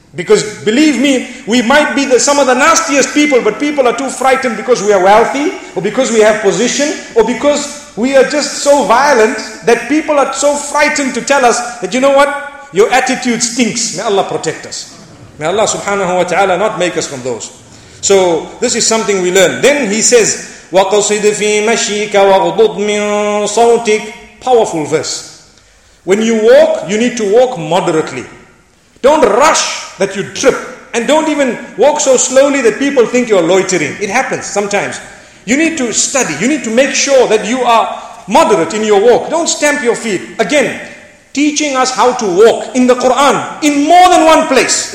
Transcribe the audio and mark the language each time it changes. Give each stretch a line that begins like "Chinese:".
English: Because believe me, we might be some of the nastiest people, but people are too frightened because we are wealthy, or because we have position, or because we are just so violent that people are so frightened to tell us that, you know what, your attitude stinks. May Allah protect us. May Allah subhanahu wa ta'ala not make us from those. So this is something we learn. Then he says,
Arabic: وَقَصِدْ فِي مَشِيكَ وَغْضُضْ مِنْ صَوْتِكَ.
English: Powerful verse. When you walk, you need to walk moderately. Don't rush that you trip. And don't even walk so slowly that people think you're loitering. It happens sometimes. You need to study. You need to make sure that you are moderate in your walk. Don't stamp your feet. Again, teaching us how to walk in the Quran in more than one place.